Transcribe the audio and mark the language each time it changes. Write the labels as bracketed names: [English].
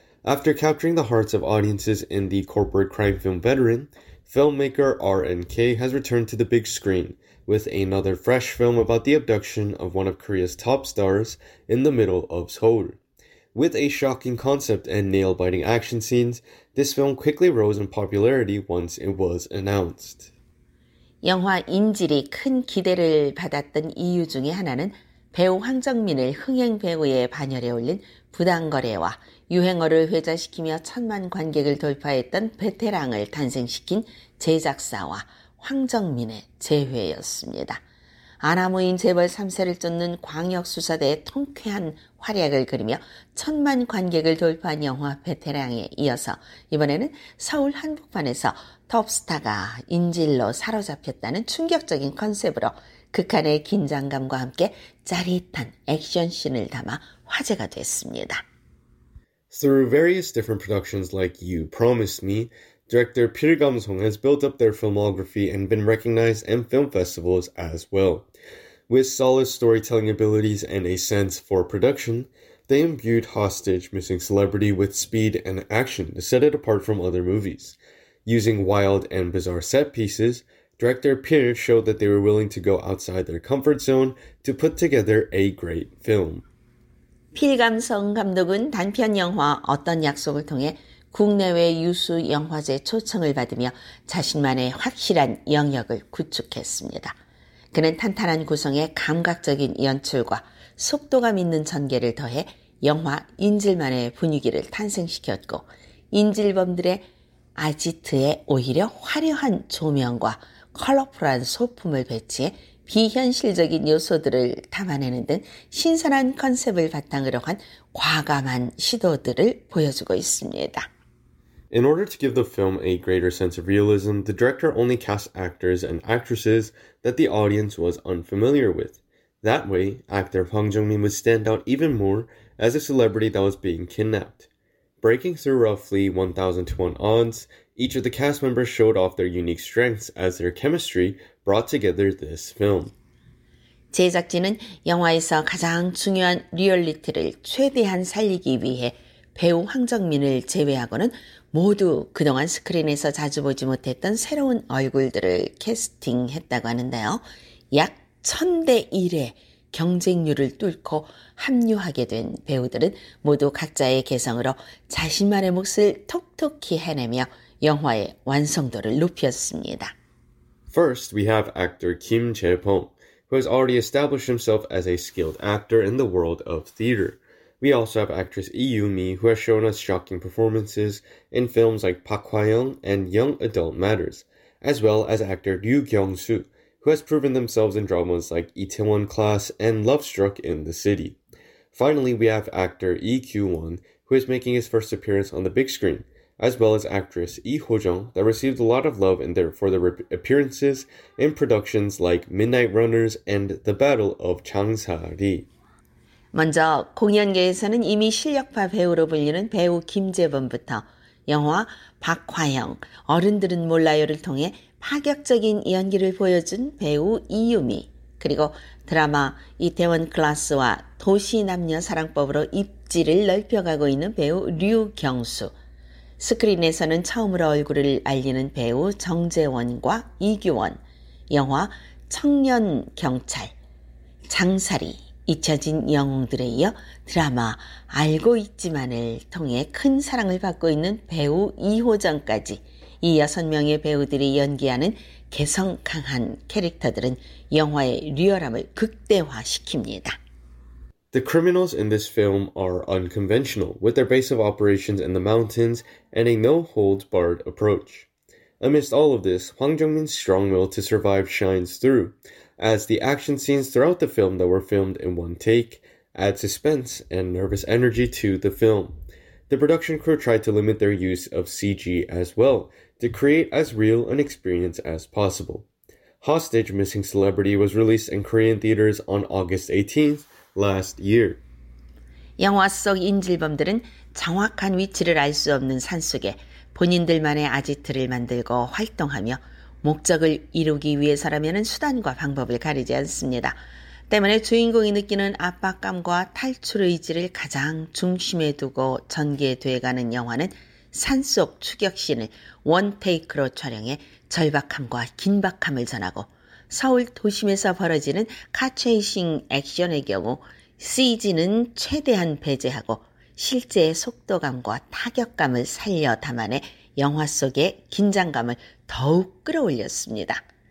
[English] After capturing the hearts of audiences in the corporate crime film Veteran, filmmaker RNK has returned to the big screen with another fresh film about the abduction of one of Korea's top stars in the middle of Seoul. With a shocking concept and nail-biting action scenes, this film quickly rose in popularity once it was announced. [Korean] 영화 인질이 큰 기대를 받았던 이유 중에 하나는 배우 황정민을 흥행 배우의 반열에 올린 부당거래와 유행어를 회자시키며 천만 관객을 돌파했던 베테랑을 탄생시킨 제작사와 황정민의 재회였습니다. 아나무인 재벌 3세를 쫓는 광역수사대의 통쾌한 활약을 그리며 천만 관객을 돌파한 영화 베테랑에 이어서 이번에는 서울 한복판에서 톱스타가 인질로 사로잡혔다는 충격적인 컨셉으로 극한의 긴장감과 함께 짜릿한 액션씬을 담아 화제가 됐습니다. [English] Through various different productions like You Promised Me, director Park Gam-sung has built up their filmography and been recognized in film festivals as well. With solid storytelling abilities and a sense for production, they imbued Hostage Missing Celebrity with speed and action to set it apart from other movies. Using wild and bizarre set pieces, director Park showed that they were willing to go outside their comfort zone to put together a great film. [Korean] 필감성 감독은 단편 영화 어떤 약속을 통해 국내외 유수 영화제 초청을 받으며 자신만의 확실한 영역을 구축했습니다. 그는 탄탄한 구성에 감각적인 연출과 속도감 있는 전개를 더해 영화 인질만의 분위기를 탄생시켰고 인질범들의 아지트에 오히려 화려한 조명과 컬러풀한 소품을 배치해 비현실적인 요소들을 담아내는 등 신선한 컨셉을 바탕으로 한 과감한 시도들을 보여주고 있습니다. [English] In order to give the film a greater sense of realism, the director only cast actors and actresses that the audience was unfamiliar with. That way, actor Hwang Jung-min would stand out even more as a celebrity that was being kidnapped. Breaking through roughly 1,000-to-1 odds, each of the cast members showed off their unique strengths as their chemistry brought together this film. [Korean] 제작진은 영화에서 가장 중요한 리얼리티를 최대한 살리기 위해 배우 황정민을 제외하고는 모두 그동안 스크린에서 자주 보지 못했던 새로운 얼굴들을 캐스팅했다고 하는데요. 약 1000대 1의 경쟁률을 뚫고 합류하게 된 배우들은 모두 각자의 개성으로 자신만의 몫을 톡톡히 해내며 영화의 완성도를 높였습니다. [English] First, we have actor Kim Jae-pong, who has already established himself as a skilled actor in the world of theater. We also have actress Lee Yoo-mi, who has shown us shocking performances in films like Park Hwa-young and Young Adult Matters, as well as actor Ryu Kyung-soo, who has proven themselves in dramas like Itaewon Class and Love Struck in the City. Finally, we have actor Lee Kyu-won, who is making his first appearance on the big screen, as well as actress Lee Ho-jung, that received a lot of love in there for their appearances in productions like Midnight Runners and The Battle of Changsa-ri. [Korean] 먼저 공연계에서는 이미 실력파 배우로 불리는 배우 김재범부터 영화 박화영, 어른들은 몰라요를 통해 파격적인 연기를 보여준 배우 이유미, 그리고 드라마 이태원 클래스와 도시 남녀 사랑법으로 입지를 넓혀가고 있는 배우 류경수, 스크린에서는 처음으로 얼굴을 알리는 배우 정재원과 이규원, 영화 청년 경찰, 장사리, 잊혀진 영웅들에 이어 드라마 알고 있지만을 통해 큰 사랑을 받고 있는 배우 이호정까지 이 여섯 명의 배우들이 연기하는 개성 강한 캐릭터들은 영화의 리얼함을 극대화시킵니다. [English] The criminals in this film are unconventional, with their base of operations in the mountains and a no-holds-barred approach. Amidst all of this, Hwang Jung-min's strong will to survive shines through, as the action scenes throughout the film that were filmed in one take add suspense and nervous energy to the film. The production crew tried to limit their use of CG as well, to create as real an experience as possible. Hostage Missing Celebrity was released in Korean theaters on August 18th, last year. [Korean] 영화 속 인질범들은 정확한 위치를 알 수 없는 산속에 본인들만의 아지트를 만들고 활동하며 목적을 이루기 위해서라면 수단과 방법을 가리지 않습니다. 때문에 주인공이 느끼는 압박감과 탈출 의지를 가장 중심에 두고 전개돼가는 영화는 산속 추격신을 원테이크로 촬영해 절박함과 긴박함을 전하고 서울 도심에서 벌어지는 카체이싱 액션의 경우 CG는 최대한 배제하고 실제의 속도감과 타격감을 살려 담아내 영화 속의 긴장감을 더욱 끌어올렸습니다.